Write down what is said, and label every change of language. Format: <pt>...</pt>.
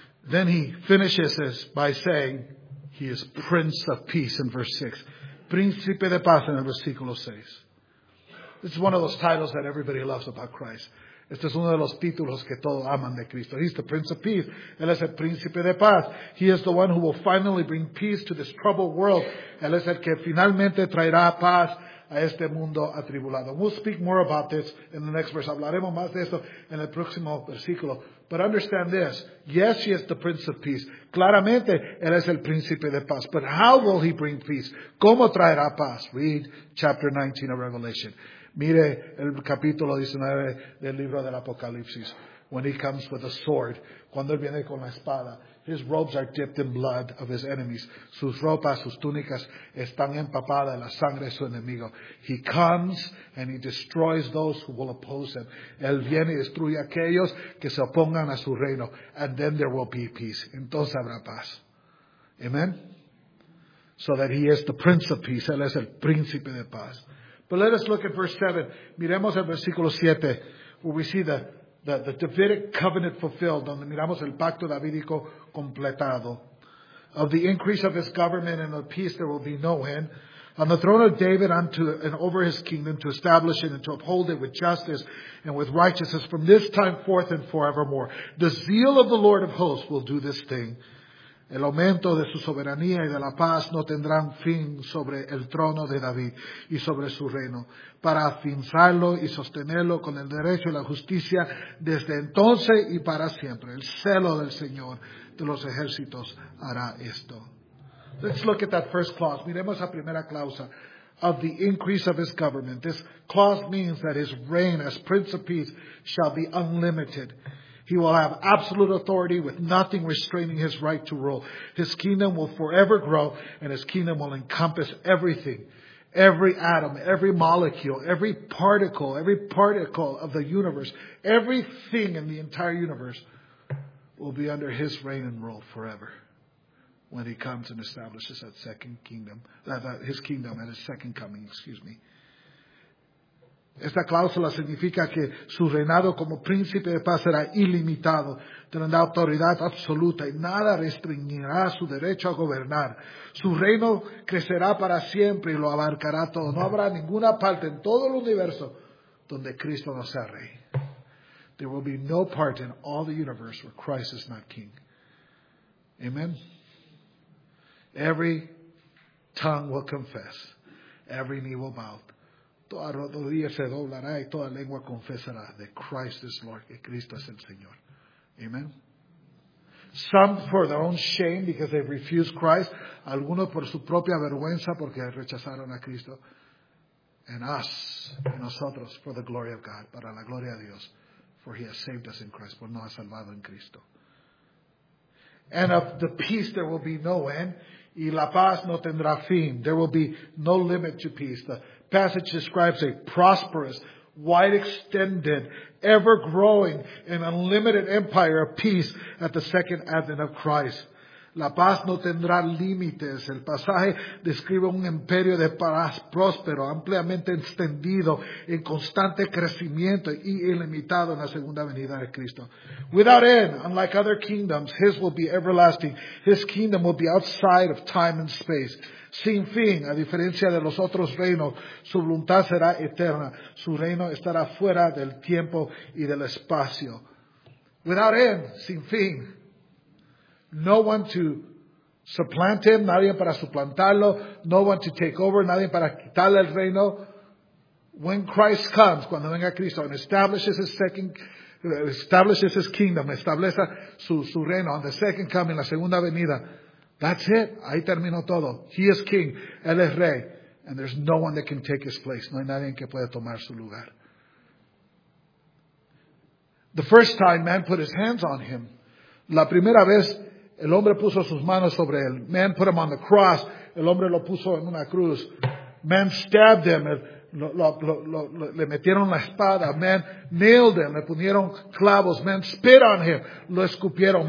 <en>Then he finishes this by saying, he is Prince of Peace in verse 6.</en> <es>Príncipe de Paz en el versículo 6.</es> <en>This is one of those titles that everybody loves about Christ.</en> <es>Este es uno de los títulos que todos aman de Cristo.</es> <en>He's the Prince of Peace.</en> <es>Él es el Príncipe de Paz.</es> <en>He is the one who will finally bring peace to this troubled world.</en> <es>Él es el que finalmente traerá paz a este mundo atribulado.</es> <en>We'll speak more about this in the next verse.</en> <es>Hablaremos más de esto en el próximo versículo.</es> <en>But understand this. Yes, he is the Prince of Peace.</en> <es>Claramente, él es el Príncipe de Paz.</es> <en>But how will he bring peace?</en> <es>¿Cómo traerá paz?</es> <en>Read chapter 19 of Revelation.</en> <es>Mire el capítulo 19 del libro del Apocalipsis.</es> <en>When he comes with a sword.</en> <es>Cuando él viene con la espada.</es> <en>His robes are dipped in blood of his enemies.</en> <es>Sus ropas, sus túnicas están empapadas de la sangre de su enemigo.</es> <en>He comes and he destroys those who will oppose him.</en> <es>Él viene y destruye a aquellos que se opongan a su reino.</es> <en>And then there will be peace.</en> <es>Entonces habrá paz.</es> <en>Amen? So that he is the Prince of Peace.</en> <es>Él es el Príncipe de Paz.</es> <en>But let us look at verse 7.</en> <es>Miremos el versículo 7,</es> <en>where we see the Davidic covenant fulfilled,</en> <es>donde miramos el pacto davídico completado.</es> <en>Of the increase of his government and of peace there will be no end. On the throne of David unto and over his kingdom to establish it and to uphold it with justice and with righteousness from this time forth and forevermore. The zeal of the Lord of hosts will do this thing.</en> <es>El aumento de su soberanía y de la paz no tendrán fin sobre el trono de David y sobre su reino, para afianzarlo y sostenerlo con el derecho y la justicia desde entonces y para siempre. El celo del Señor de los ejércitos hará esto.</es> <en>Let's look at that first clause.</en> <es>Miremos la primera clausa.</es> <en>Of the increase of his government. This clause means that his reign as Prince of Peace shall be unlimited. He will have absolute authority with nothing restraining his right to rule. His kingdom will forever grow and his kingdom will encompass everything. Every atom, every molecule, every particle of the universe, everything in the entire universe will be under his reign and rule forever when he comes and establishes that second kingdom, his kingdom at his second coming, excuse me.</en> <es>Esta cláusula significa que su reinado como príncipe de paz será ilimitado, tendrá autoridad absoluta y nada restringirá su derecho a gobernar. Su reino crecerá para siempre y lo abarcará todo. No habrá ninguna parte en todo el universo donde Cristo no sea rey.</es> <en>There will be no part in all the universe where Christ is not king. Amen. Every tongue will confess, every knee will bow.</en> <es>Toda rodilla se doblará y toda lengua confesará</es> <en>that Christ is Lord,</en> <es>que Cristo es el Señor. Amen.</es> <en>Some for their own shame because they refused Christ.</en> <es>Algunos por su propia vergüenza porque rechazaron a Cristo.</es> <en>And us,</en> <es>y nosotros,</es> <en>for the glory of God,</en> <es>para la gloria de Dios.</es> <en>For he has saved us in Christ,</en> <es>por nos ha salvado en Cristo.</es> <en>And of the peace there will be no end.</en> <es>Y la paz no tendrá fin.</es> <en>There will be no limit to peace. The passage describes a prosperous, wide-extended, ever-growing, and unlimited empire of peace at the second advent of Christ.</en> <es>La paz no tendrá límites. El pasaje describe un imperio de paz próspero, ampliamente extendido, en constante crecimiento y ilimitado en la segunda venida de Cristo.</es> <en>Without end, unlike other kingdoms, his will be everlasting. His kingdom will be outside of time and space.</en> <es>Sin fin, a diferencia de los otros reinos, su voluntad será eterna. Su reino estará fuera del tiempo y del espacio.</es> <en>Without end,</en> <es>sin fin.</es> <en>No one to supplant him,</en> <es>nadie para suplantarlo.</es> <en>No one to take over,</en> <es>nadie para quitarle el reino.</es> <en>When Christ comes,</en> <es>cuando venga Cristo,</es> <en>and establishes his second, establishes his kingdom,</en> <es>establece su reino,</es> <en>on the second coming,</en> <es>la segunda venida,</es> <en>that's it.</en> <es>Ahí terminó todo.</es> <en>He is king.</en> <es>Él es rey.</es> <en>And there's no one that can take his place.</en> <es>No hay nadie que pueda tomar su lugar.</es> <en>The first time, man put his hands on him.</en> <es>La primera vez, el hombre puso sus manos sobre él.</es> <en>Man put him on the cross.</en> <es>El hombre lo puso en una cruz.</es> <en>Man stabbed him.</en> <es>Le metieron la espada.</es> <en>Man nailed him.</en> <es>Le pusieron clavos.</es> <en>Man spit on him.</en> <es>Lo escupieron.</es>